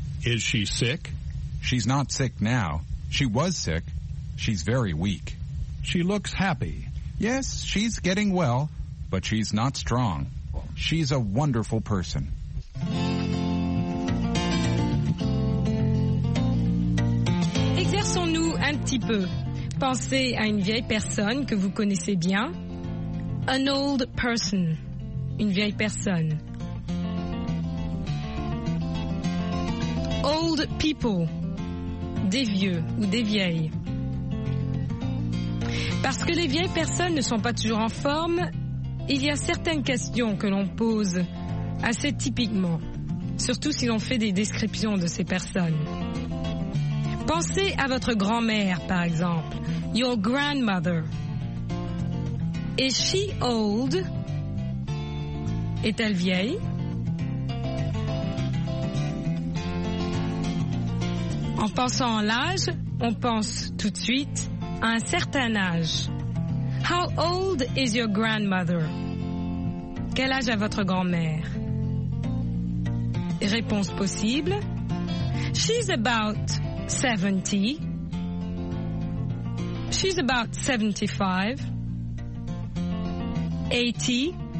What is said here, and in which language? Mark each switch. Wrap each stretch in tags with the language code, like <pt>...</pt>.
<en>Is she sick? She's not sick now. She was sick. She's very weak. She looks happy. Yes, she's getting well, but she's not strong. She's a wonderful person.</en> <fr>Exerçons-nous un petit peu. Pensez à une vieille personne que vous connaissez bien.</fr> <en>An old person.</en> <fr>Une vieille personne.</fr> <en>Old people,</en> <fr>des vieux ou des vieilles. Parce que les vieilles personnes ne sont pas toujours en forme, il y a certaines questions que l'on pose assez typiquement, surtout si l'on fait des descriptions de ces personnes. Pensez à votre grand-mère, par exemple,</fr> <en>your grandmother. Is she old?</en> <fr>Est-elle vieille? En pensant à l'âge, on pense tout de suite à un certain âge.</fr> <en>How old is your grandmother?</en> <fr>Quel âge a votre grand-mère? Réponse possible.</fr> <en>She's about 70. She's about 75. 80.</en>